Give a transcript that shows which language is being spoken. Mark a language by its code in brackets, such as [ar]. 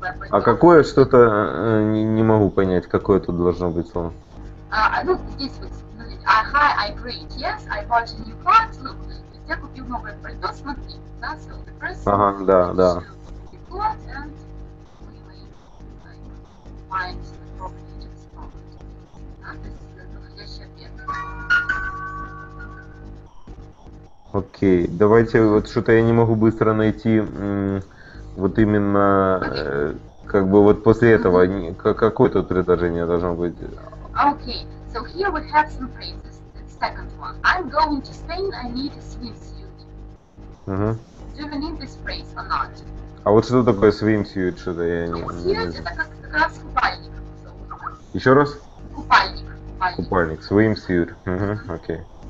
[ru] А какое что-то не могу понять, какое тут должно быть слово? Ну, здесь вот. [en] Hi, I'm great. Yes, I bought a new coat. Look, [ru] я купил новое пальто. Смотри, да, [en] so the first one. [ru] Ага, да. [en] The coat and we may find the property just moment. And this is the [ru] подходящий ответ. Окей, давайте вот что-то я не могу быстро найти. Вот именно, как бы вот после этого, какое тут предложение должно быть? Окей, [en] so here we have some phrases. The second one. I'm going to Spain, I need a swimsuit. Uh-huh. Do you need this phrase or not? [ru] А вот что такое swimsuit, что-то я не... Swimsuit, это как раз купальник. Еще раз? Купальник, [en] swimsuit. Uh-huh. Okay.